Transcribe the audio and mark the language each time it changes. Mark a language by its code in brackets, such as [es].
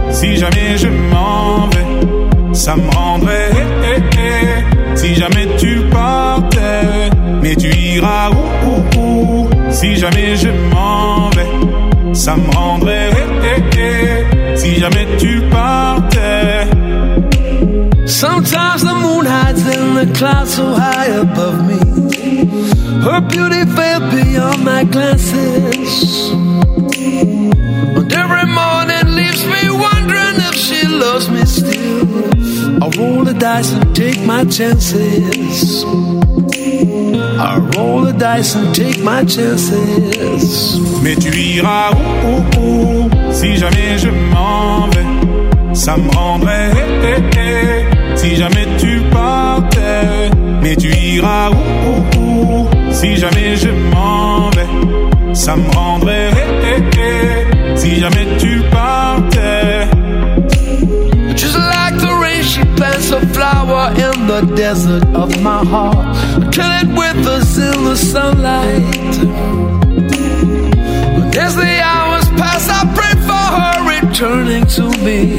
[fr] Si jamais je m'en vais, ça me rendrait Si jamais tu partais, mais tu iras où, où, où. Si jamais je m'en vais, ça me rendrait Si jamais tu partais. [en] Sometimes the moon hides in the clouds so high above me. Her beauty fell beyond my glances. And every morning leaves me wondering if she loves me still. I roll the dice and take my chances. I roll the dice and take my chances. [fr] Mais tu iras où, où, où. Si jamais je m'en vais, ça me rendrait Si jamais tu partais. Mais tu iras où, où, où. Si jamais je m'en vais, ça me rendrait Si jamais tu partais. [en] Just like the rain, she plants a flower in the desert of my heart. Kill it with us in the sunlight. But as the hours pass, I pray for her returning to me.